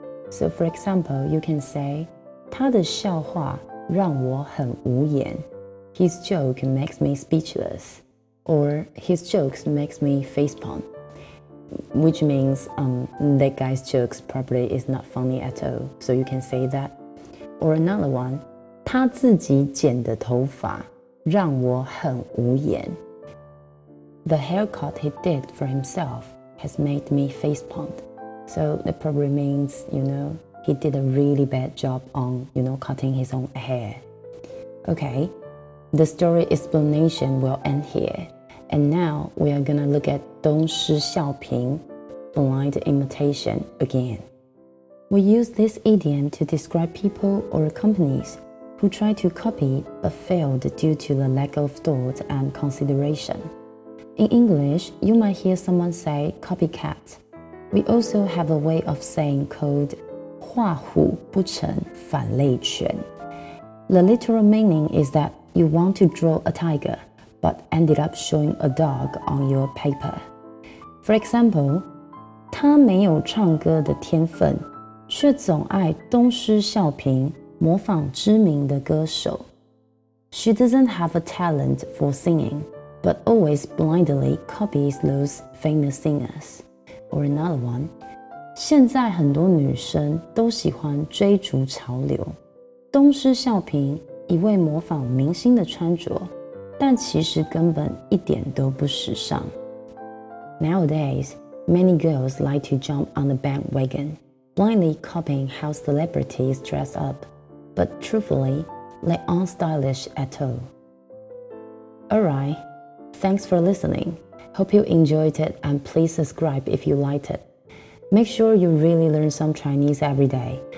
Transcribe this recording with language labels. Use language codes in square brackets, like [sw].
[en] So for example, you can say, [zh] 他的笑话让我很无言。 [en] His joke makes me speechless. Or his jokes makes me facepalm. Which means, that guy's jokes probably is not funny at all. So you can say that. Or another one, [zh] 他自己剪的头发让我很无言。 [en] The haircut he did for himself has made me facepalm. So that probably means, you know, he did a really bad job on, you know, cutting his own hair. Okay, the story explanation will end here. And now we are gonna look at 东施效颦, blind imitation again. We use this idiom to describe people or companies who try to copy but failed due to the lack of thought and consideration. In English, you might hear someone say copycat,We also have a way of saying called [zh] 画虎不成反类犬 [en] The literal meaning is that you want to draw a tiger, but ended up showing a dog on your paper. For example, [zh] 他没有唱歌的天分，却总爱东施效颦，模仿知名的歌手。 [en] She doesn't have a talent for singing, but always blindly copies those famous singers. Or another one, [zh] 现在很多女生都喜欢追逐潮流。东施效颦一味模仿明星的穿着，但其实根本一点都不时尚。 [en] Nowadays, many girls like to jump on the bandwagon, blindly copying how celebrities dress up. But truthfully, they aren't stylish at all. Alright, thanks for listening. Hope you enjoyed it and please subscribe if you liked it. Make sure you really learn some Chinese every day.